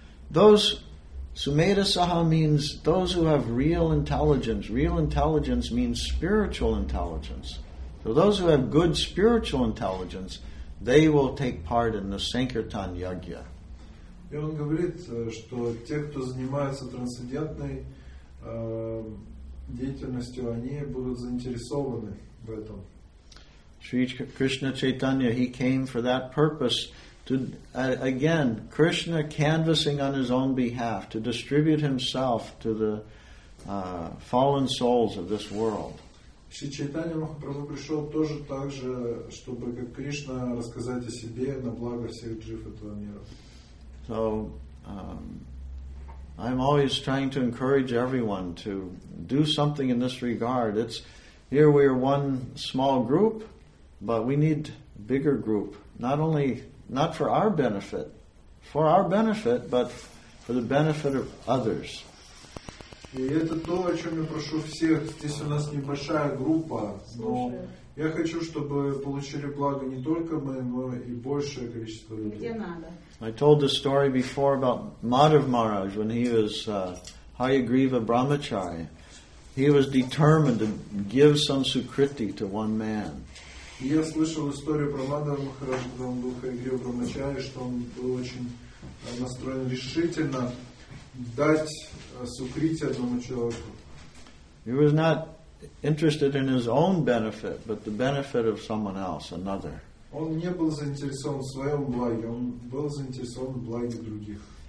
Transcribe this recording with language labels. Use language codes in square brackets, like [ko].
[en] Those Sumedha Saha means those who have real intelligence. Real intelligence means spiritual intelligence. So those who have good spiritual intelligence, they will take part in the Sankirtan Yagya. [ru] И он говорит, что те, кто занимается трансцендентной деятельностью, они будут заинтересованы в этом. [en] Шри Кришна Чайтанья, he came for that purpose to, again, Krishna canvassing on his own behalf to distribute himself to the fallen souls of this world. [ru] Шри Чайтанья Махапрабху пришел тоже так же, чтобы как Кришна рассказать о себе на благо всех джив этого мира. [en] So, I'm always trying to encourage everyone to do something in this regard. It's here we are one small group, but we need a bigger group. Not for our benefit, but for the benefit of others. [ru] И это то, о чем я прошу всех. Здесь у нас небольшая группа, но я хочу, чтобы получили благо не только мы, но и большее количество людей. Где надо. [en] I told the story before about Madhav Maharaj when he was Hayagriva Brahmachari. He was determined to give some Sukriti to one man. [ru] Я слышал историю про Мадхава Махараджа, когда он был Хайгрива Брамачари, что он был очень настроен решительно дать Сукрити одному человеку. [en] He was not interested in his own benefit, but the benefit of someone else, another. [ru] Он не был заинтересован в своем благе, он был заинтересован в благе других.